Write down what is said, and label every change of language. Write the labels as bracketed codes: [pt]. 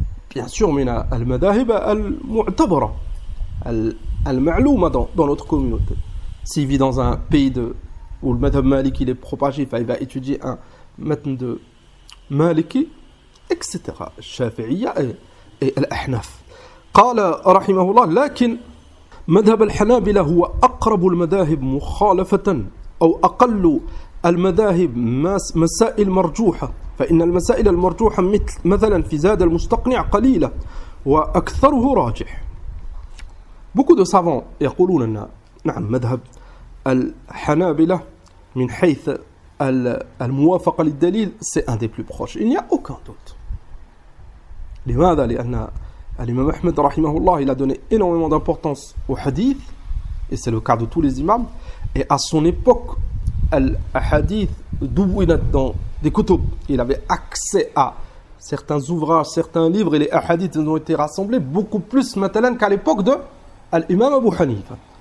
[fr] Bien sûr, [ar] mina al-madahib al-mu'tabara, al-ma'louma [fr] dans notre communauté. S'il vit dans un pays où le madhab maliki est propagé, il va étudier un matn de maliki, etc. [ar] Shafi'iyya et al-ahnaf. Qala rahimahullah, lakin مذهب الحنابلة هو أقرب المذاهب مخالفة أو أقل المذاهب مسائل مرجوحة، فإن المسائل المرجوحة مثلا في زاد المستقنع قليلة وأكثره راجح. [fr] Beaucoup de savants [ar] يقولون أن نعم مذهب الحنابلة من حيث الموافقة للدليل [fr] c'est un des plus proches. Il n'y a aucun doute. [ar] لماذا؟ لأن الإمام أحمد رحمه الله [fr] il a donné énormément d'importance au hadith et c'est le cas de tous les imams et à son époque [ar] الحديث دونت [fr] dans des كتب. Il avait accès à certains ouvrages, certains livres et les hadiths ont été rassemblés beaucoup plus maintenant qu'à l'époque de الإمام أبو حنيفة.